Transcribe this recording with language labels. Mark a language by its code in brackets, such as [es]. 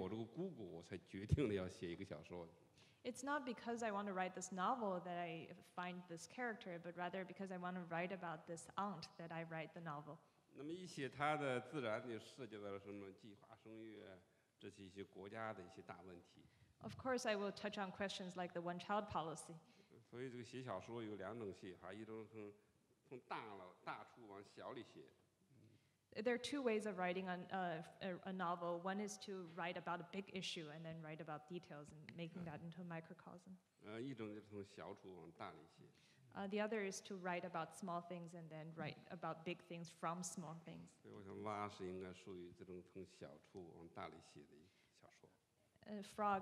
[zh] 所以我在这个写这个小说的时候，实际上在这个不是说我要写这个小说，而是因为我这个姑姑，我才决定了要写一个小说。 [en] It's not because I want to write this novel that I find this character, but rather because I want to write about this aunt that I write the novel. [zh] 那么一写他的，自然就涉及到了什么计划生育啊，这些一些国家的一些大问题。 [en] Of course, I will touch on questions like the one-child policy. [zh] 所以这个写小说有两种写哈，一种从大处往小里写。 [en] There are two ways of writing on a novel. One is to write about a big issue and then write about details and making that into a microcosm. [zh] 一种就是从小处往大里写。 [en] The other is to write about small things and then write about big things from small things. [zh] 我想蛙是应该属于这种从小处往大里写的小说。 [en] Frog